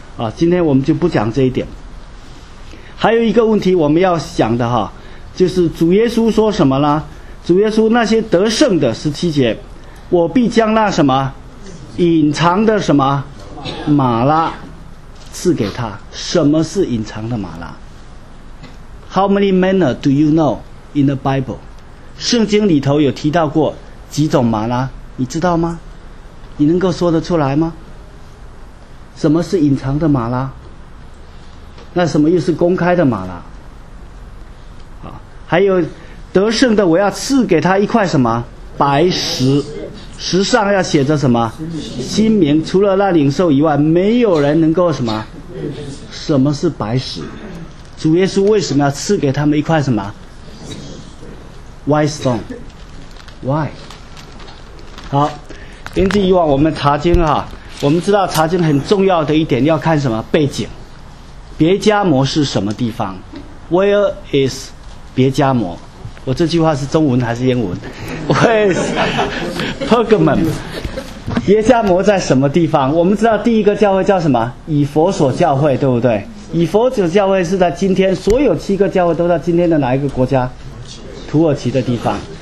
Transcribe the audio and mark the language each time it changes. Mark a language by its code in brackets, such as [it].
[zh] 啊，今天我们就不讲这一点。还有一个问题我们要想的哈，就是主耶稣说什么呢？主耶稣那些得胜的，十七节，我必将那什么隐藏的什么马拉赐给他。什么是隐藏的马拉？ [en] How many manna do you know in the Bible？ [zh] 圣经里头有提到过几种玛拉，你知道吗？你能够说得出来吗？什么是隐藏的玛拉？那什么又是公开的玛拉？啊，还有得胜的，我要赐给他一块什么白石，石上要写着什么新名，除了那领受以外，没有人能够什么？什么是白石？主耶稣为什么要赐给他们一块什么 [en] White stone? Why? [zh] 好，根据以往我们查经啊，我们知道查经很重要的一点要看什么背景，别加摩是什么地方？ [en] Where is 别加摩？ [zh] 我这句话是中文还是英文？ [en] Where is Pergamum? [zh] 别加摩在什么地方？我们知道第一个教会叫什么？以弗所教会，对不对？以弗所教会是在今天，所有七个教会都在今天的哪一个国家？土耳其的地方。